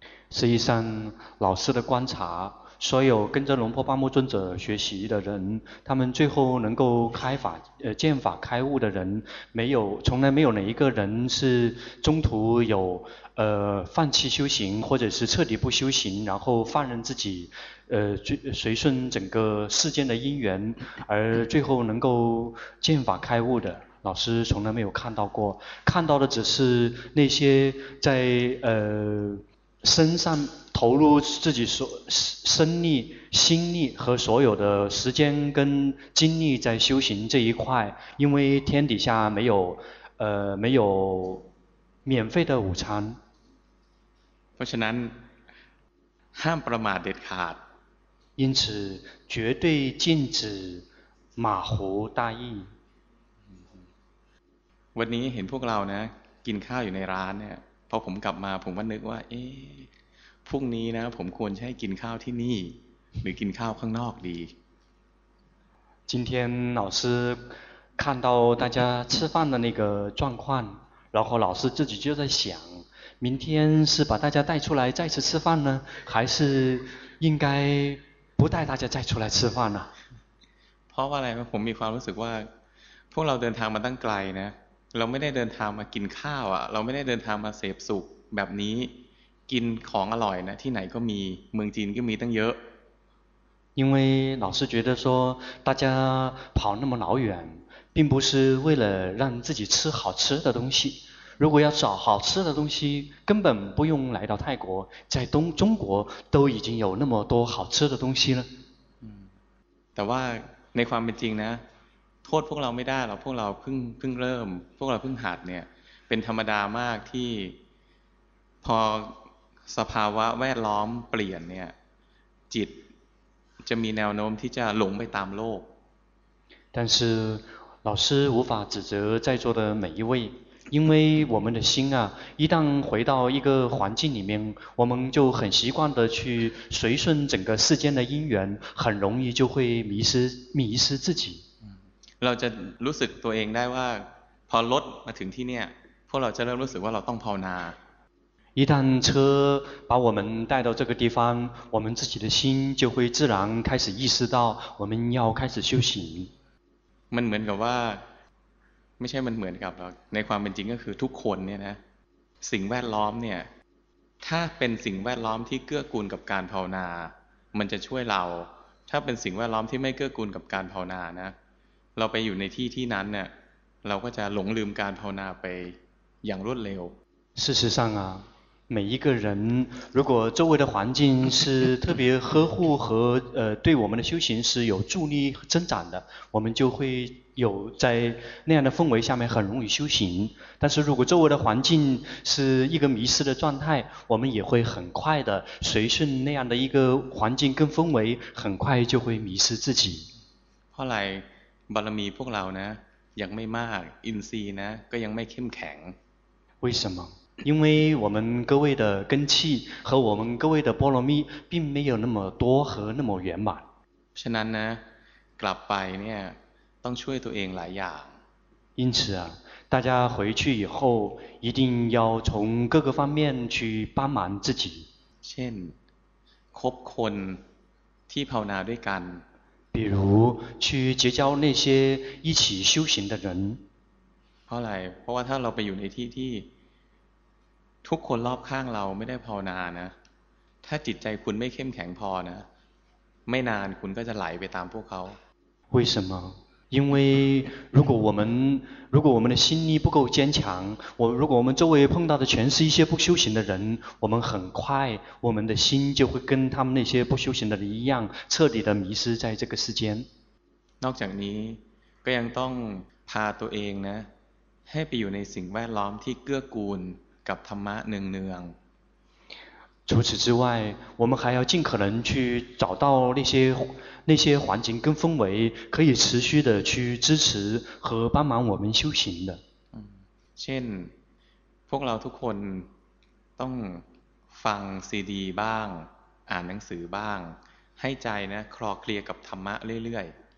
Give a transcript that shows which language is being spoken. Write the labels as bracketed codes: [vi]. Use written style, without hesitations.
[zh] 实际上老师的观察所有跟着龙婆巴木尊者学习的人他们最后能够开法见法开悟的人没有从来没有哪一个人是中途有放弃修行或者是彻底不修行然后放任自己随顺整个世间的因缘而最后能够见法开悟的老师从来没有看到过看到的只是那些在身上投入自己所身力心力和所有的时间跟精力在修行这一块因为天底下没有免费的午餐 [th] เพราะฉะนั้นห้ามประมาทเด็ดขาด [zh] 因此绝对禁止马虎大意 [th] วันนี้เห็นพวกเรานะกินข้าวอยู่ในร้านเนี่ยพอผมกลับมาผมก็นึกว่าเอ๊ะพรุ่งนี้นะผมควรจะให้กินข้าวที่นี่หรือกินข้าวข้างนอกดี [zh] 今天老师看到大家吃饭的那个状况然后老师自己就在想明天是把大家带出来再次吃饭呢还是应该不带大家再出来吃饭呢 [th] เพราะว่าอะไรผมมีความรู้สึกว่าพวกเราเดินทางมาตั้งไกลนะเราไม่ได้เดินทางมากินข้าวอ่ะเราไม่ได้เดินทางมาเสพสุขแบบนี้กินของอร่อยนะที่ไหนก็มีเมืองจีนก็มีตั้งเยอะ [zh] 因为老师觉得说大家跑那么老远并不是为了让自己吃好吃的东西如果要找好吃的东西根本不用来到泰国在中国都已经有那么多好吃的东西了 [th] แต่ว่าในความเป็นจริงนะโทษพวกเราไม่ได้หรอกพวกเราเพิ่งเริ่มพวกเราเพิ่งหัดเนี่ยเป็นธรรมดามากที่พอสภาวะแวดล้อมเปลี่ยนเนี่ยจิต จะมีแนวโน้มที่จะหลงไปตามโลก [zh] 但是老师无法指责在座的每一位因为我们的心啊一旦回到一个环境里面我们就很习惯的去随顺整个世间的因缘很容易就会迷失自己 [th] เราจะรู้สึกตัวเองได้ว่าพอรถมาถึงที่เนี่ยพวกเราจะเริ่มรู้สึกว่าเราต้องภาวนา [zh] 一旦车把我们带到这个地方我们自己的心就会自然开始意识到我们要开始修行 [th] มันเหมือนกับว่าไม่ใช่มันเหมือนกับหรอกในความเป็นจริงก็คือทุกคนเนี่ยนะสิ่งแวดล้อมเนี่ยถ้าเป็นสิ่งแวดล้อมที่เกื้อกูลกับการภาวนามันจะช่วยเราถ้าเป็นสิ่งแวดล้อมที่ไม่เกื้อกูลกับการภาวนานะเราไปอยู่ในที่ที่นั้นเนี่ยเราก็จะหลงลืมการภาวนาไปอย่างรวดเร็ว [zh] 事实上啊每一个人如果周围的环境是特别呵护和对我们的修行是有助力增长的我们就会有在那样的氛围下面很容易修行但是如果周围的环境是一个迷失的状态我们也会很快的随顺那样的一个环境跟氛围很快就会迷失自己后来 [th] บารมีพวกเรานะยังไม่มากอินทรีย์นะก็ยังไม่เข้มแข็ง [zh] 为什么因为我们各位的根器和我们各位的波罗蜜并没有那么多和那么圆满 [th] ฉะนั้นนะกลับไปเนี่ยต้องช่วยตัวเองหลายอย่าง [zh] 因此啊大家回去以后一定要从各个方面去帮忙自己 [th] เช่นคบคนที่ภาวนาด้วยกัน [zh] 比如去结交那些一起修行的人 [th] เพราะอะไรเพราะว่าถ้าเราไปอยู่ในที่ที่ทุกคนรอบข้างเราไม่ได้ภาวนานะถ้าจิตใจคุณไม่เข้มแข็งพอนะไม่นานคุณก็จะไหลไปตามพวกเขา [zh] 为什么因为如果我们的心力不够坚强我如果我们周围碰到的全是一些不修行的人我们很快我们的心就会跟他们那些不修行的人一样彻底的迷失在这个世间 [th] นอกจากนี้ก็ยังต้องพาตัวเองนะให้ไปอยู่ในสิ่งแวดล้อมที่เกื้อกูลกับธรรมะเนือง [zh] ๆ除此之外我们还要尽可能去找到那些环境跟氛围可以持续的去支持和帮忙我们修行的 [th] เช่นพวกเราทุกคนต้องฟังซีดีบ้างอ่านหนังสือบ้างให้ใจนะคลอเคลียกับธรรมะเรื่อยๆ